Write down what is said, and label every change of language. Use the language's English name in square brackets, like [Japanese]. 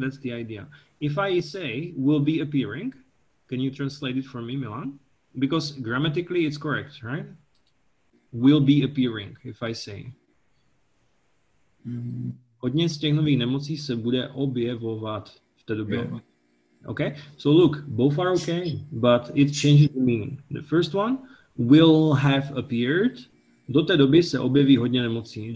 [English] That's the idea. If I say will be appearing, can you translate it for me, Milan? Because grammatically it's correct, right? Will be appearing, if I say. [Czech] Hodně z těch nových nemocí se bude objevovat v té době. [English] Okay, so look, both are okay, but it changes the meaning. The first one, will have appeared. [Czech] Do té doby se objeví hodně nemocí.